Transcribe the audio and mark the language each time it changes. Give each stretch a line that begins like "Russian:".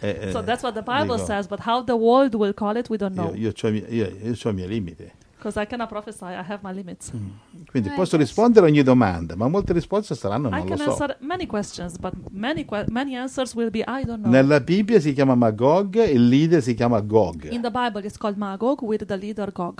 English: So that's what the Bible says, but how the world will call it, we don't know.
Italian: Io ho i miei limiti.
English: Because I cannot prophesy, I have my limits.
Italian: Quindi posso rispondere ogni domanda, ma molte risposte saranno non lo so.
English: I can answer many questions, but many answers will be I don't know.
Italian: Nella Bibbia si chiama Magog, il leader si chiama Gog.
English: In the Bible it's called Magog with the leader Gog.